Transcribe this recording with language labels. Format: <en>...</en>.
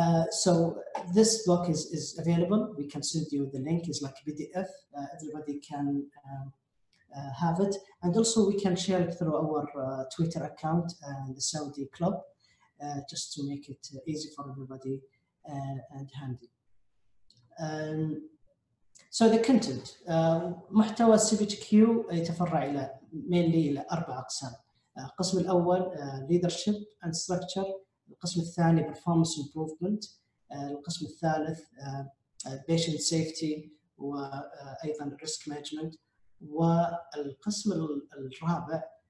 <en>So this book is available. We can send you the link. It's like a PDF. Everybody can have it. And also we can share it through our Twitter account and the Saudi Club, just to make it easy for everybody and handy. So the content.</en> <ar>محتوى CPHQ يتفرع إلى mainly إلى أربع أقسام. القسم الأول leadership and structure القسم الثاني performance improvement القسم الثالث patient safety وأيضا risk management والقسم الرابع</ar>